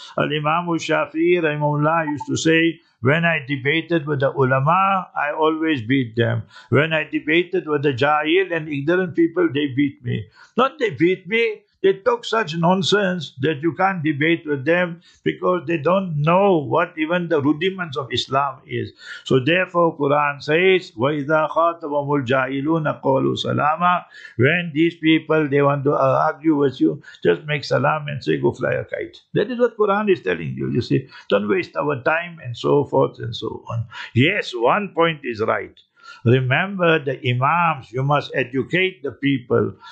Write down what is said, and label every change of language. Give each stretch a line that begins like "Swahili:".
English: Al-Imam al-Shafi'i, Rahimahullah, used to say, when I debated with the ulama, I always beat them. When I debated with the jahil and ignorant people, they beat me. Not they beat me, they talk such nonsense that you can't debate with them because they don't know what even the rudiments of Islam is.
Arabic: So therefore, Quran says, وَإِذَا خَاتَبَهُمُ الْجَاهِلُونَ قَالُوا سَلَامًا.
English: When these people, they want to argue with you, just make salam and say, go fly a kite. That is what Quran is telling you, you see. Don't waste our time and so forth and so on. Yes, one point is right. Remember the imams, you must educate the people.